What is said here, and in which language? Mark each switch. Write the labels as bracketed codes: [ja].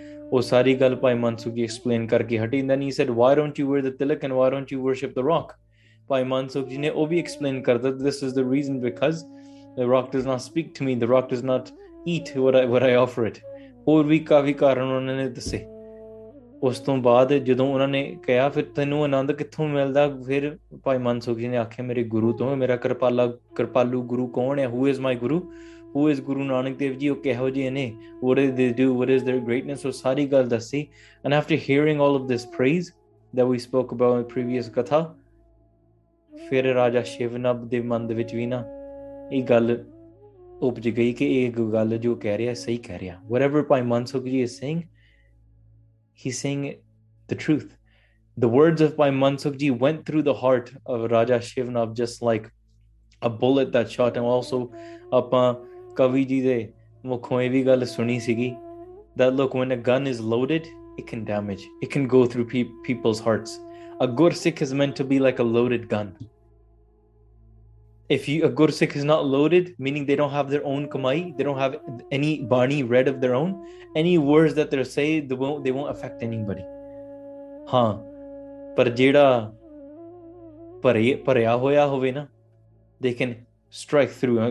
[pa] O sari gal [en] Bhai Mansukh Ji explained [pa] karke hati, [en] and then he said, why don't you wear the tilak and why don't you worship the rock? Bhai Mansukh Ji [pa] ne o bhi [en] explain [pa] karta, [en] this is the reason, because the rock does not speak to me, the rock does not eat what I offer it. [pa] ਹੋਰ ਵੀ ਕਾਫੀ ਕਾਰਨ ਉਹਨਾਂ ਨੇ ਦੱਸੇ। ਉਸ ਤੋਂ ਬਾਅਦ ਜਦੋਂ ਉਹਨਾਂ ਨੇ ਕਿਹਾ ਫਿਰ ਤੈਨੂੰ ਆਨੰਦ ਕਿੱਥੋਂ ਮਿਲਦਾ, ਫਿਰ ਭਾਈ ਮਨਸੁਖ ਜੀ ਨੇ ਆਖਿਆ ਮੇਰੇ ਗੁਰੂ ਤੋਂ, ਮੇਰਾ ਕਿਰਪਾਲੂ ਗੁਰੂ ਕੌਣ ਹੈ, [en] who is my guru, who is Guru Nanak Dev ji, [pa] ਉਹ ਕਿਹੋ ਜਿਹੇ ਨੇ, [en] what is they do, what is their greatness, [pa] ਉਹ ਸਾਰੀ ਗੱਲ ਦੱਸੀ। [en] and after hearing all of this praise that we spoke about in previous katha, [pa] ਫਿਰ ਰਾਜਾ ਸ਼ਿਵਨਬ ਦੇ ਮਨ ਦੇ ਵਿੱਚ ਵੀ ਨਾ ਇਹ ਗੱਲ ਉਪਜ ਗਈ ਕਿ ਇਹ ਗੱਲ ਜੋ ਕਹਿ ਰਿਹਾ ਸਹੀ ਕਹਿ ਰਿਹਾ। [en] Whatever Bhai Mansukh ji is saying, he saying the truth. The words of Bhai Mansukh ji went through the heart of Raja Shivnabh just like a bullet that shot. And also [pa] ਆਪਾਂ ਕਵੀ ਜੀ ਦੇ ਮੁੱਖੋਂ ਇਹ ਵੀ ਗੱਲ ਸੁਣੀ ਸੀਗੀ, [en] That look when a gun is loaded, it can damage, it can go through people's hearts. A Gursikh is meant to be like a loaded gun. If a Gursikh is not loaded, meaning they don't have their own kamai, they don't have any bani read of their own, any words that they're saying, they won't affect anybody. [pa] Haan, par jeda pareya hoya hove na, [en] they can strike through.